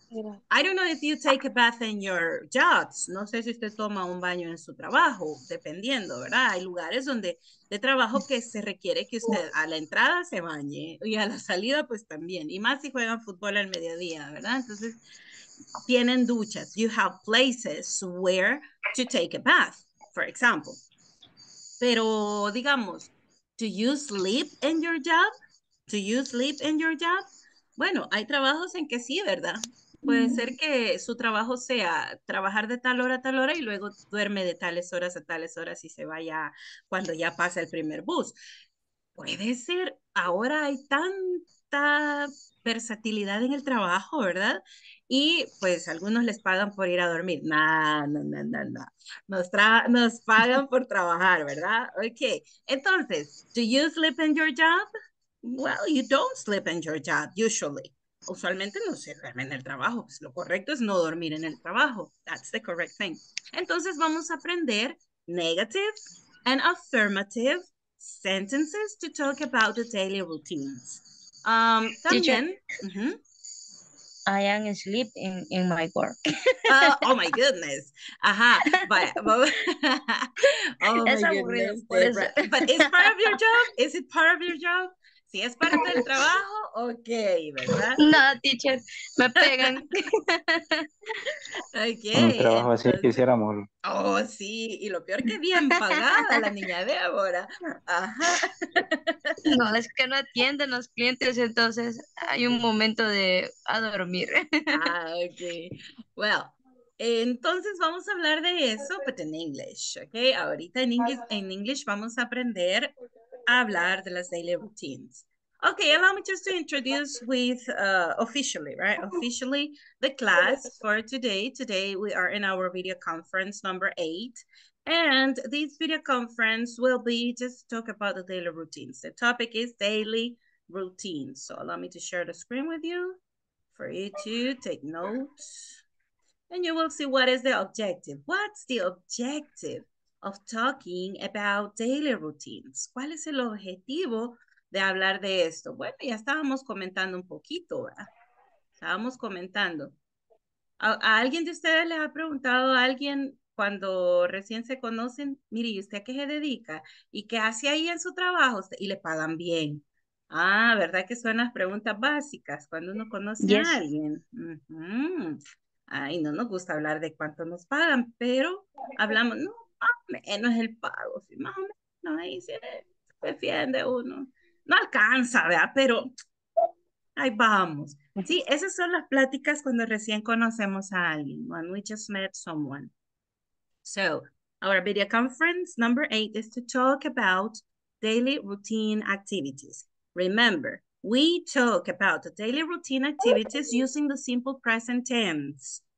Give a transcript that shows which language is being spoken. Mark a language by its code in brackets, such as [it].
[en] I don't know if you take a bath in your jobs. [es] No sé si usted toma un baño en su trabajo, dependiendo, ¿verdad? Hay lugares donde de trabajo que se requiere que usted a la entrada se bañe y a la salida, pues también. Y más si juegan fútbol al mediodía, ¿verdad? Entonces, tienen duchas. [en] You have places where to take a bath, for example. [es] Pero, digamos, [en] do you sleep in your job? Do you sleep in your job? [es] Bueno, hay trabajos en que sí, ¿verdad? Puede ser que su trabajo sea trabajar de tal hora a tal hora y luego duerme de tales horas y se vaya cuando ya pasa el primer bus. Puede ser, ahora hay tanta versatilidad en el trabajo, ¿verdad? Y pues algunos les pagan por ir a dormir. No. Nos pagan por trabajar, ¿verdad? [en] Ok, entonces, do you sleep in your job? Well, you don't sleep in your job, usually. [es] Usualmente no se duerme en el trabajo. Pues lo correcto es no dormir en el trabajo. [en] That's the correct thing. [es] Entonces vamos a aprender [en] negative and affirmative sentences to talk about the daily routines. [es] También, [en] I am asleep in my work. Oh my goodness. Ajá. But, oh my goodness. But is part of your job? Is it part of your job? [es] Si es parte del trabajo, ok, ¿verdad? No, teacher, me pegan. Okay, un trabajo así que hiciéramos. Oh, sí, y lo peor que bien pagada la niña Débora. Ajá. No, es que no atienden los clientes, entonces hay un momento de a dormir. Ah, ok. Well, entonces vamos a hablar de eso, [en] but in English, [es] ok? Ahorita en inglés vamos a aprender hablar de las daily routines. [en] Okay, allow me just to introduce with officially the class for today. Today we are in our video conference number 8, and this video conference will be just talk about the daily routines. The topic is daily routines. So allow me to share the screen with you for you to take notes, and you will see what is the objective. What's the objective of talking about daily routines? [es] ¿Cuál es el objetivo de hablar de esto? Bueno, ya estábamos comentando un poquito, ¿verdad? Estábamos comentando. ¿A alguien de ustedes les ha preguntado a alguien cuando recién se conocen? Mire, ¿y usted a qué se dedica? ¿Y qué hace ahí en su trabajo? Y le pagan bien. Ah, ¿verdad que son las preguntas básicas cuando uno conoce a alguien? Uh-huh. Ay, no nos gusta hablar de cuánto nos pagan, pero hablamos, no, más o menos el pago, sí, más o menos, ahí se defiende uno. No alcanza, ¿verdad? Pero ahí vamos. Sí, esas son las pláticas cuando recién conocemos a alguien. [en] When we just met someone. So, our video conference number 8 is to talk about daily routine activities. Remember, we talk about the daily routine activities using the simple present tense.